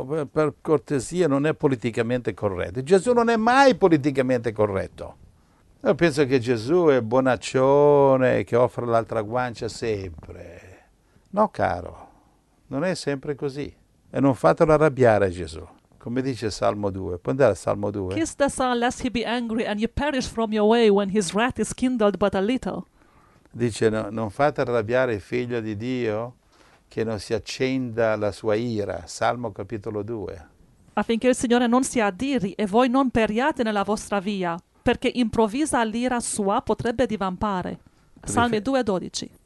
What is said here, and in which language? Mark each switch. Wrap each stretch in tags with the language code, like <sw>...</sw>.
<it>per cortesia, non è politicamente corretto. Gesù non è mai politicamente corretto. Io penso che Gesù è bonaccione, che offre l'altra guancia sempre. No, caro, non è sempre così. E non fatelo arrabbiare Gesù. Come dice Salmo 2. Può andare al Salmo 2?</it> <en>Kiss the son, lest he be angry, and you perish from your way when his wrath is kindled but a little.</en> <it>Dice, no, non fate arrabbiare il figlio di Dio, che non si accenda la sua ira. Salmo capitolo 2. Affinché il Signore non si adiri, e voi non periate nella vostra via, perché improvvisa l'ira sua potrebbe divampare. Salmi 2:12.</it>